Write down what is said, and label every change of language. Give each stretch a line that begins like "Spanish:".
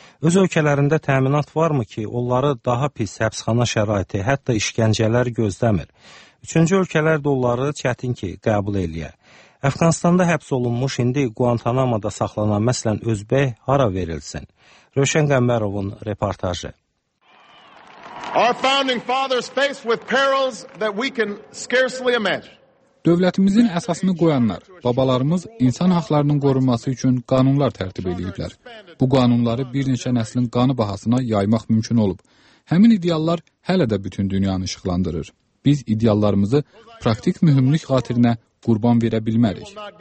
Azerbaijani: Öz ölkələrində təminat varmı ki, onları daha pis həbsxana şəraiti, hətta işgəncələr gözləmir? Üçüncü ölkələr də onları çətin ki, qəbul eləyə. Əfqanistanda həbs olunmuş, indi Guantanamo-da saxlanan, məsələn, Özbək hara verilsin? Rövşən Qəmbərovun reportajı.
English: Our founding fathers faced with perils that we can scarcely imagine.
Azerbaijani: Dövlətimizin əsasını qoyanlar, babalarımız insan haqlarının qorunması üçün qanunlar tərtib ediblər. Bu qanunları bir neçə nəslin qanı bahasına yaymaq mümkün olub. Həmin ideallar hələ də bütün dünyanı işıqlandırır. Biz ideallarımızı praktik mühümlük xatirinə qurban verə bilmərik.